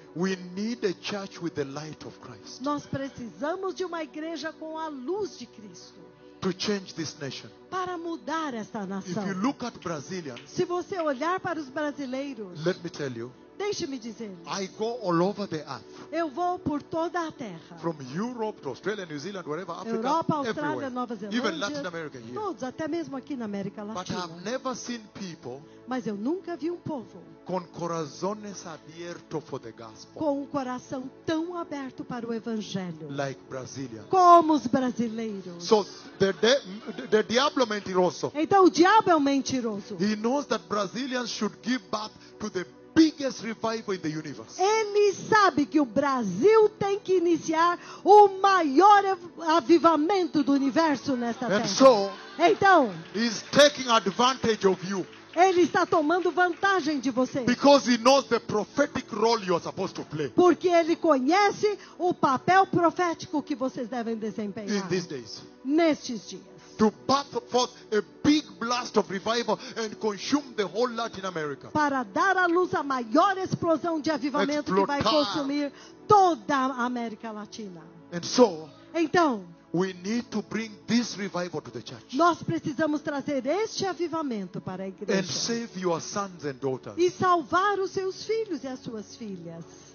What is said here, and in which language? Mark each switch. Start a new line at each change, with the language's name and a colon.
English: We need a church with the light of Christ.
Portuguese: Nós precisamos de uma igreja com a luz de Cristo.
English: To change this nation.
Portuguese: Para mudar esta nação.
English: If you look at Brazilians.
Portuguese: Se você olhar para os brasileiros.
English: Let me tell you.
Portuguese: Deixe-me dizer.
English: I go all over the earth.
Portuguese: Eu vou por toda a terra.
English: From Europe to Australia, New Zealand, wherever, Africa,
Portuguese: Europa, Austrália, Nova Zelândia,
English: even Latin America here.
Portuguese: Todos, até mesmo aqui na América Latina.
English: But I've never seen people.
Portuguese: Mas eu nunca vi um povo.
Spanish: Con corazones abierto
English: for the gospel.
Portuguese: Com um coração tão aberto para o evangelho.
English: Like Brazilians.
Portuguese: Como os brasileiros.
English: So the
Spanish: diablo mentiroso.
Portuguese: Então o diabo é um mentiroso.
English: He knows that Brazilians should give birth to the biggest revival in the universe.
Portuguese: Ele sabe que o Brasil tem que iniciar o maior avivamento do universo nesta terra.
English: And so,
Portuguese: então,
English: he's taking advantage of you.
Portuguese: Ele está tomando vantagem de você.
English: Because he knows the prophetic role you are supposed to play.
Portuguese: Porque ele conhece o papel profético que vocês devem desempenhar.
English: In these days.
Portuguese: Nestes dias.
English: To birth forth a big blast of revival and consume the whole Latin America.
Portuguese: Para dar à luz a maior explosão de avivamento.
Spanish: Explotar.
Portuguese: Que vai consumir toda a América Latina.
English: And so,
Portuguese: então,
English: we need to bring this revival to the church.
Portuguese: Nós precisamos trazer este avivamento para a igreja.
English: And save your sons and daughters.
Portuguese: E salvar os seus filhos e as suas filhas.